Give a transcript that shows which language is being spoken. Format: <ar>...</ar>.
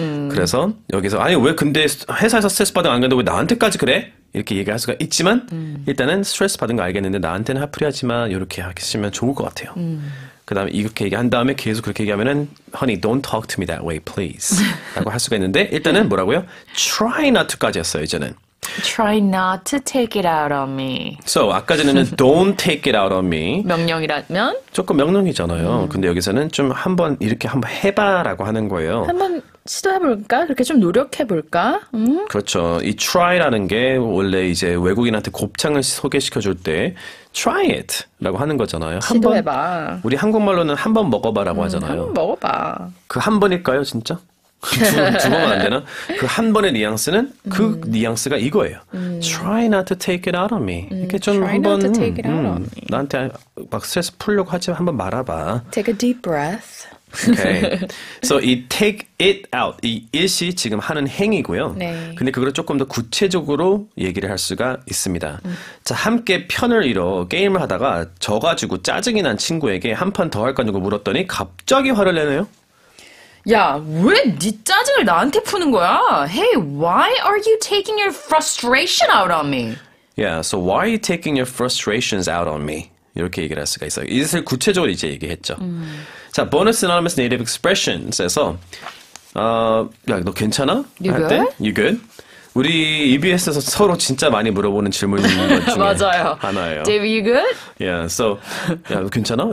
<ko>그래서 여기서 아니 왜 근데 회사에서 스트레스 받은 거 안 그런데 왜 나한테까지 그래? 이렇게 얘기할 수가 있지만 일단은 스트레스 받은 거 알겠는데 나한테는 화풀이하지 마. 이렇게 하시면 좋을 것 같아요. 그 다음에 이렇게 얘기한 다음에 계속 그렇게 얘기하면은</ko> <en>Honey, don't talk to me that way, please.</en> <ko>라고 할 수가 있는데 일단은 뭐라고요?</ko> <en>Try not to</en> <ko>까지 했어요, 이제는.</ko> <en>Try not to take it out on me. So,</en> <ko>아까 전에는</ko> <en>don't take it out on me.</en> <ko>명령이라면? 조금 명령이잖아요. 근데 여기서는 좀 한번 이렇게 한번 해봐라고 하는 거예요. 한번 시도해볼까? 그렇게 좀 노력해볼까? 그렇죠. 이 try라는 게 원래 이제 외국인한테 곱창을 소개시켜줄 때</ko> <en>try it</en> <ko>라고 하는 거잖아요. 시도해봐. 우리 한국말로는 한번 먹어봐라고 하잖아요. 한번 먹어봐. 그 한 번일까요, 진짜? 두 번은 안 되나? 그 한 번의 뉘앙스는 그 뉘앙스가 이거예요.</ko> <en>Try not to take it out of me.</en> <ko>이렇게 좀 한번 나한테 막 스트레스 풀려고 하지 한번 말아봐.</ko> <en>Take a deep breath.</en> <ko>Okay. So 이</ko> <en>take it out,</en> <ko>이 it이 지금 하는 행위고요. 네. 근데 그걸 조금 더 구체적으로 얘기를 할 수가 있습니다. 자, 함께 편을 잃어 게임을 하다가 져가지고 짜증이 난 친구에게 한 판 더 할 거냐고 물었더니 갑자기 화를 내네요. 야, 왜 네 짜증을 나한테 푸는 거야?</ko> <en>Hey, why are you taking your frustration out on me? Yeah, so why are you taking your frustrations out on me?</en> <ko>이렇게 얘기를 할 수가 있어요. 이것을 구체적으로 이제 얘기했죠. 자,</ko> <en>bonus anonymous native expressions</en> <ko>에서 야, 너 괜찮아?</ko> <en>You good? You good?</en> <ko>우리 EBS에서 서로 진짜 많이 물어보는 질문 중에 맞아요. 하나예요.</ko> <en>Dave, you good? Yeah, so</en> <ko>야, 너 괜찮아?</ko>